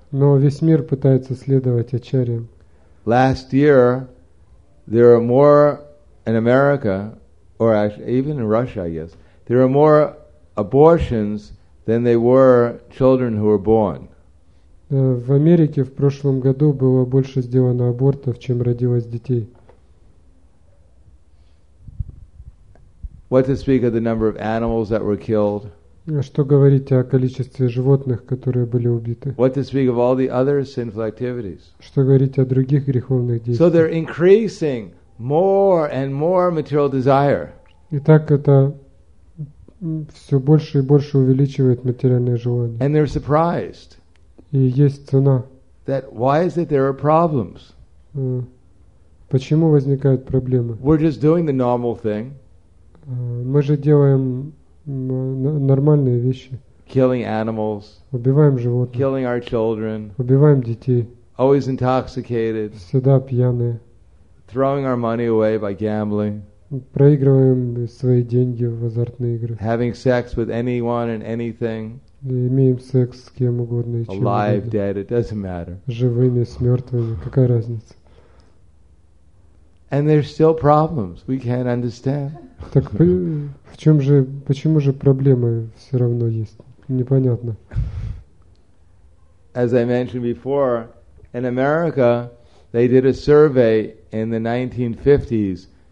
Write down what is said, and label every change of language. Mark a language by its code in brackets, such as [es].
[ru] Но весь мир пытается следовать Ачарьям. [en] Last year, there are more in America, or actually even in Russia, I guess, there are more abortions than there were children who were born. [ru] В Америке в прошлом году было больше сделано абортов, чем родилось детей. [en] What to speak of the number of animals that were killed? [ru] Что говорить о количестве животных, которые были убиты? [en] What to speak of all the other sinful activities? [ru] Что говорить о других греховных действиях? [en] So they're increasing more and more material desire. [ru] Итак, это все больше и больше увеличивает материальные желания. [en] And they're surprised. [ru] И есть цена. [en] That why is it there are problems? [ru] Почему возникают проблемы? [en] We're just doing the normal thing. [ru] Мы же делаем нормальные вещи. [en] Killing animals. [ru] Убиваем животных. [en] Killing our children. [ru] Убиваем детей. [en] Always intoxicated. [ru] Всегда пьяные. [en] Throwing our money away by gambling. [ru] Проигрываем свои деньги в азартные игры. [en] Having sex with anyone and anything. [ru] Имеем секс с кем угодно и чем угодно. [en] Alive, dead, it doesn't matter. [ru] Живыми, с мертвыми, какая разница? [en] And there's still problems we can't understand. [ru] Так в чем же, почему же проблемы все равно есть? Непонятно. [en] As I mentioned before, in America, they did a survey in the 1950s.